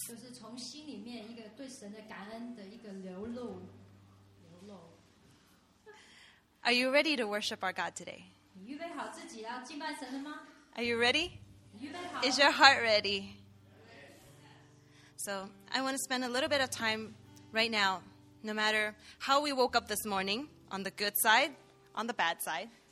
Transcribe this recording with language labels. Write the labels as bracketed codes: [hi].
[zh] 就是从心里面一个对神的感恩的一个流露。 [en] Are you ready to worship our God today? [zh] 你预备好自己要敬拜神了吗? [en] Are you ready? [zh] 你预备好? [en] Is your heart ready? So I want to spend a little bit of time right now, no matter how we woke up this morning, on the good side, on the bad side.